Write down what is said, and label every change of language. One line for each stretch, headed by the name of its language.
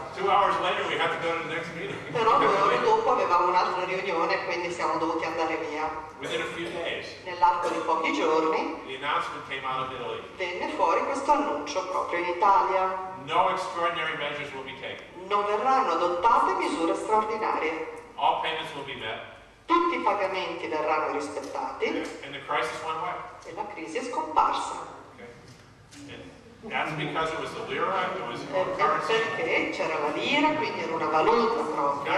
English: 2 hours later, we have to go to the next meeting.
Italian: Però 2 ore dopo avevamo un'altra riunione e quindi siamo dovuti andare via.
English: Within a few days,
Italian: nell'arco di pochi giorni,
English: the announcement came out of Italy.
Italian: Venne fuori questo annuncio proprio in Italia.
English: No extraordinary measures will be taken.
Italian: Non verranno adottate misure straordinarie.
English: All payments will be met.
Italian: Tutti i pagamenti verranno rispettati.
English: And the crisis went away.
Italian: E la crisi è scomparsa.
English: That's because it was the lira, it was the currency.
Italian: Perché c'era la lira, quindi era una valuta propria.